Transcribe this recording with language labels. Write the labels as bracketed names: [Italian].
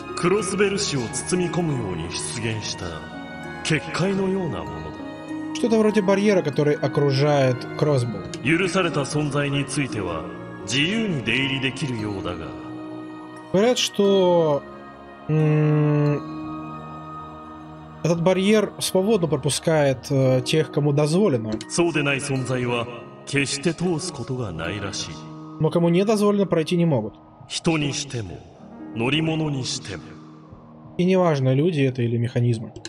[Japanese] クロスベル氏を包み込むように出現した結界のようなものだ. [Russian] Что-то вроде барьера, который окружает Кросбу. [Japanese] 許された存在については自由に出入りできるようだが. [Russian] Говорят, что этот барьер свободно пропускает тех, кому дозволено. [Japanese] そうでない存在は決して通すことがないらしい. [Russian] Но кому не дозволено, пройти не могут. [Japanese] 人にしても乗り物にしても. [Russian] И неважно, люди это или механизмы.